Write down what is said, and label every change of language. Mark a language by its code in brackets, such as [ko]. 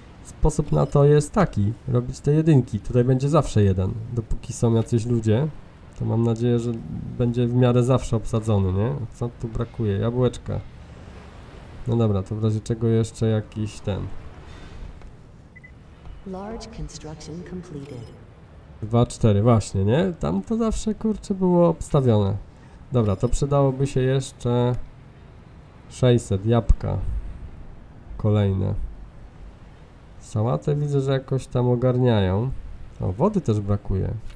[pl] Sposób na to jest taki. Robić te jedynki. Tutaj będzie zawsze jeden. Dopóki są jacyś ludzie, to mam nadzieję, że będzie w miarę zawsze obsadzony, nie? Co tu brakuje? Jabłeczka. No dobra, to w razie czego jeszcze jakiś ten... [en] Large construction completed. [pl] 2-4, właśnie, nie? Tam to zawsze, kurczę, było obstawione. Dobra, to przydałoby się jeszcze 600, jabłka. Kolejne. Sałatę widzę, że jakoś tam ogarniają. O, wody też brakuje.